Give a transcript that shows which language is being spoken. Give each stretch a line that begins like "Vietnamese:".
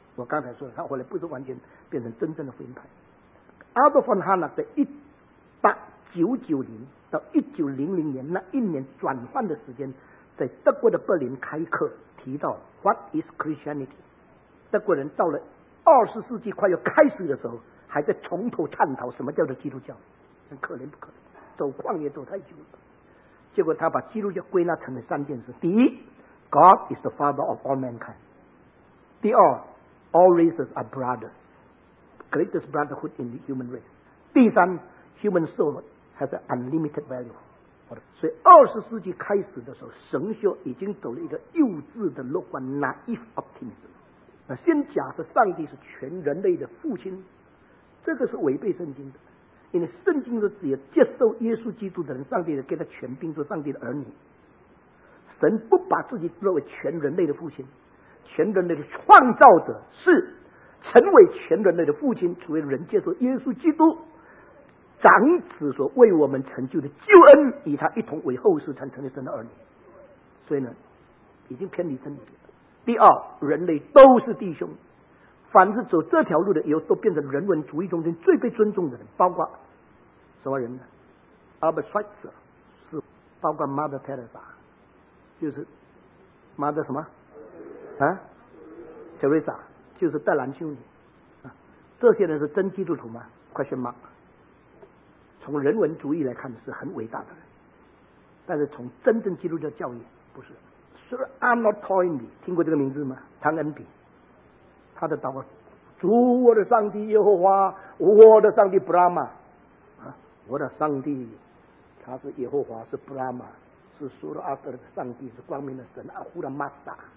Chinese: 我刚才说的，他后来不是完全变成真正的福音派。Adolf von Harnack 在1899到1900年那一年转换的时间，在德国的柏林开课，提到
English: What is Christianity，
Chinese: 德国人到了20世纪快要开始的时候，还在从头探讨什么叫做基督教，很可怜不可怜，走旷野走太久了。结果他把基督教归纳成了三件事：
English: 第一 ， God is the father of all mankind； 第二 ， All races are brothers， greatest brotherhood in the human race； 第三 ， Human soul has an unlimited value。
Chinese: 所以20世纪开始的时候，神学已经走了一个幼稚的乐观
English: naive optimism。
Chinese: 那先假设上帝是全人类的父亲，这个是违背圣经的，因为圣经是指接受耶稣基督的人，上帝的给他权柄做上帝的儿女。神不把自己作为全人类的父亲，全人类的创造者是成为全人类的父亲，除了人接受耶稣基督长子所为我们成就的救恩，与他一同为后世才成为神的儿女。所以呢，已经偏离真理了。第二，人类都是弟兄，凡是走这条路的，以后都变成人文主义中间最被尊重的人，包括什么人呢？ Albert Schweitzer， 是包括 Mother Teresa， 就是 Mother 什么啊？ Teresa 就是戴兰修女、啊、这些人是真基督徒吗？
English: Question mark。
Chinese: 从人文主义来看是很伟大的人，但是从真正基督教教义不是。 Sir Arnold Toynbee， 听过这个名字吗？汤恩比，他的祷告：主我的上帝耶和华，我的上帝 Brahma、啊、我的上帝他是耶和华，是 Brahma， 是 Sir Arthur 的上帝，是光明的神阿呼的 Master。